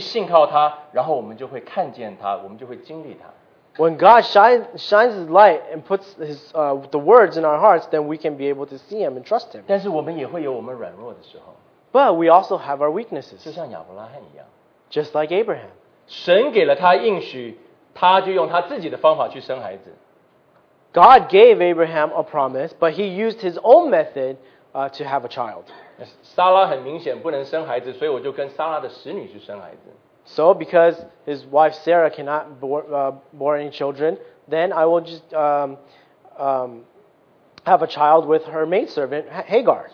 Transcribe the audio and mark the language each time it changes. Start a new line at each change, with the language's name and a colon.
Chinese: 当神的话降临在我们心中的时候,我们可以去信靠他,然后我们就会看见他,我们就会经历他。
English: When God shines His light and puts His the words in our hearts, then we can be able to see Him and trust Him.
Chinese: 但是我们也会有我们软弱的时候。
English: But we also have our weaknesses.
Chinese: 就像亚伯拉罕一样。
English: Just like Abraham.
Chinese: 神给了他应许, 他就用他自己的方法去生孩子。
English: God gave Abraham a promise, but he used his own method to have a child.
Chinese: 撒拉很明显不能生孩子, 所以我就跟撒拉的使女去生孩子。
English: So because his wife Sarah cannot bore any children, then I will just have a child with her maidservant, Hagar.